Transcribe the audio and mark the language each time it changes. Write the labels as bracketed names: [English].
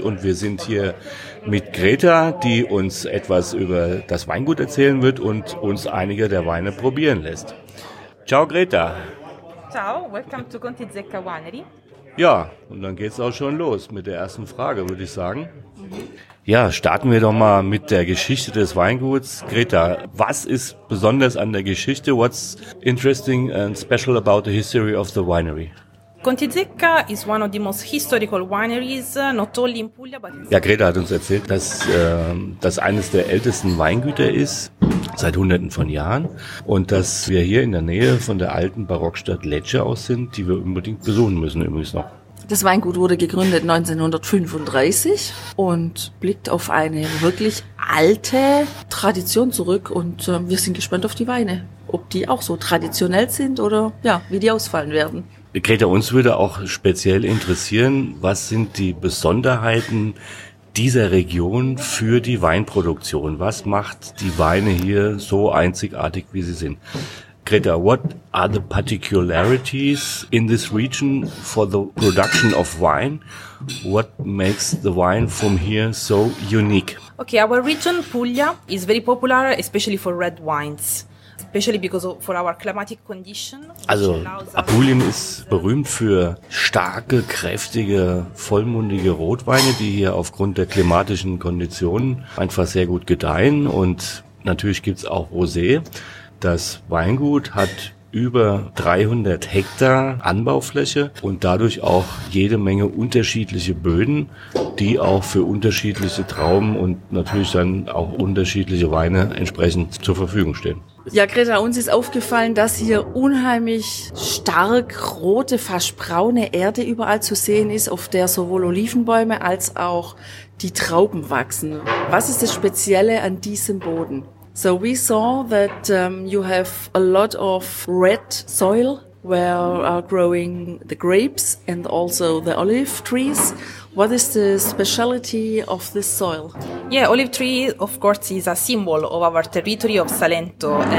[German] Und wir sind hier mit Greta, die uns etwas über das Weingut erzählen wird und uns einige der Weine probieren lässt. [Italian] Ciao, Greta. [English] Ciao, welcome to Conti Zecca Winery. [German] Ja, und dann geht's auch schon los mit der ersten Frage, würde ich sagen. Ja, starten wir doch mal mit der Geschichte des Weinguts. Greta, was ist besonders an der Geschichte? [English] What's interesting and special about the history of the winery? Conti Zecca is one of the most historical wineries, not only in Puglia, but in... [German] Ja, Greta hat uns erzählt, dass das eines der ältesten Weingüter ist, seit Hunderten von Jahren, und dass wir hier in der Nähe von der alten Barockstadt Lecce aus sind, die wir unbedingt besuchen müssen übrigens noch. Das Weingut wurde gegründet 1935 und blickt auf eine wirklich alte Tradition zurück, und wir sind gespannt auf die Weine, ob die auch so traditionell sind oder ja, wie die ausfallen werden. Greta, uns würde auch speziell interessieren, was sind die Besonderheiten dieser Region für die Weinproduktion? Was macht die Weine hier so einzigartig, wie sie sind? [English] Greta, what are the particularities in this region for the production of wine? What makes the wine from here so unique? Okay, our region, Puglia, is very popular, especially for red wines. Especially because of for our climatic condition. [German] Also Apulien ist berühmt für starke, kräftige, vollmundige Rotweine, die hier aufgrund der klimatischen Konditionen einfach sehr gut gedeihen. Und natürlich gibt's auch Rosé. Das Weingut hat über 300 Hektar Anbaufläche und dadurch auch jede Menge unterschiedliche Böden, die auch für unterschiedliche Trauben und natürlich dann auch unterschiedliche Weine entsprechend zur Verfügung stehen. Ja, Greta, uns ist aufgefallen, dass hier unheimlich stark rote, fast braune Erde überall zu sehen ist, auf der sowohl Olivenbäume als auch die Trauben wachsen. Was ist das Spezielle an diesem Boden? [English] So we saw that you have a lot of red soil where are growing the grapes and also the olive trees. What is the speciality of this soil? Yeah, olive tree, of course, is a symbol of our territory of Salento.